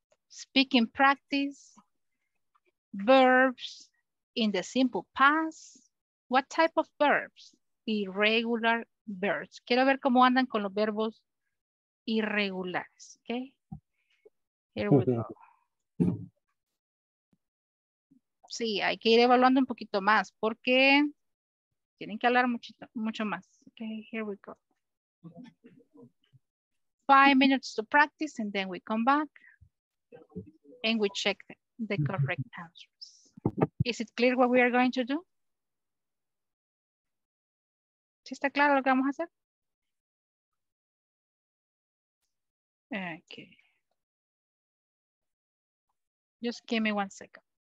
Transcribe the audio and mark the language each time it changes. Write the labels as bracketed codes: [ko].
[en] Speak in practice, verbs in the simple past. What type of verbs? Irregular verbs. [es] Quiero ver cómo andan con los verbos irregulares. [en] Ok. Here we go. [es] Sí, hay que ir evaluando un poquito más porque tienen que hablar mucho más. [en] Ok. Here we go. 5 minutes to practice and then we come back and we check the correct answers. Is it clear what we are going to do? [es] ¿Sí está claro lo que vamos a hacer? [en] Okay. Just give me 1 second.